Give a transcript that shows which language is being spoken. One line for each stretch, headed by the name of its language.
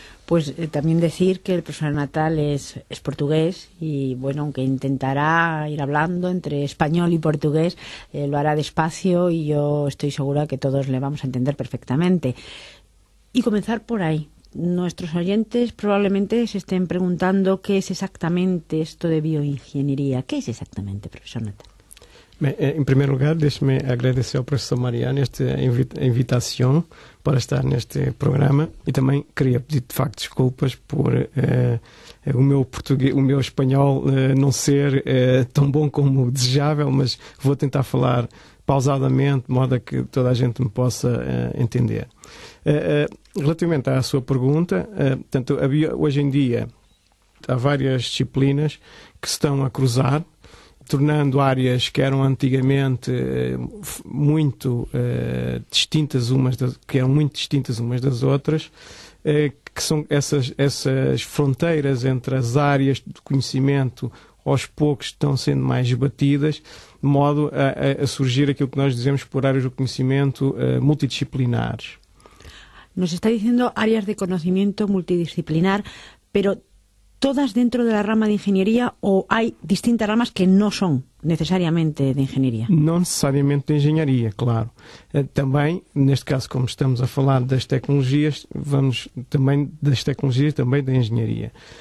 Spanish: Pues también decir que el profesor Natal es portugués y, bueno, aunque intentará ir hablando entre español y portugués, lo hará despacio y yo estoy segura que todos le vamos a entender perfectamente. Y comenzar por ahí. Nuestros oyentes probablemente se estén preguntando qué es exactamente esto de bioingeniería. ¿Qué es exactamente, profesor Natal? En primer lugar, déjeme agradecer al profesor Mariano esta invitación para estar en este programa. Y también quería pedir, de facto, disculpas por
Portuguese: o meu espanhol não ser tão bom como desejável, mas vou tentar falar pausadamente, de modo a que toda a gente me possa entender. Relativamente à sua pergunta, portanto, hoje em dia há várias disciplinas que se estão a cruzar, tornando áreas que eram antigamente muito distintas umas das, que eram muito distintas umas das outras, que são essas fronteiras entre as áreas de conhecimento aos poucos estão sendo mais batidas, de modo a surgir aquilo que nós dizemos por áreas do conhecimento multidisciplinares.
Spanish: Nos está diciendo áreas de conhecimento multidisciplinar, pero ¿todas dentro de la rama de ingeniería o hay distintas ramas que no son necesariamente de ingeniería? No necesariamente de ingeniería, claro. También, en este caso, como estamos a hablar de las tecnologías, vamos también de las tecnologías, también de ingeniería.